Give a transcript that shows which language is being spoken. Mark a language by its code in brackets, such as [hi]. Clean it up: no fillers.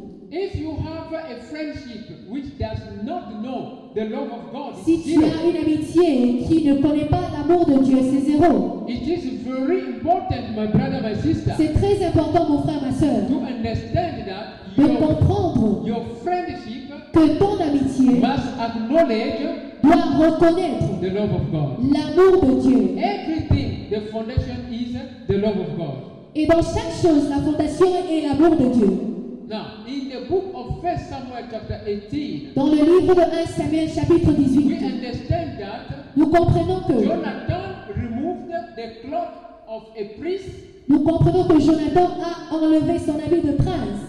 [en] If you have a friendship which does not know the love of God, [fr] si tu as une amitié qui ne connaît pas l'amour de Dieu, c'est zéro. [en] It is very important, my brother, my sister. [fr] C'est très important, mon frère, ma sœur. [en] To understand that [fr] de comprendre [en] your friendship [fr] que ton amitié [en] must acknowledge [fr] doit reconnaître [en] the love of God. [fr] L'amour de Dieu. [en] Everything, the foundation is the love of God. [fr] Et dans chaque chose, la fondation est l'amour de Dieu. [en] Now, in the book of 1 Samuel chapter 18, [fr] dans le livre de 1 Samuel chapitre 18, [en] we understand that [fr] nous comprenons que [en] Jonathan removed the cloth of a priest. [fr] Nous comprenons que Jonathan a enlevé son habit de prince.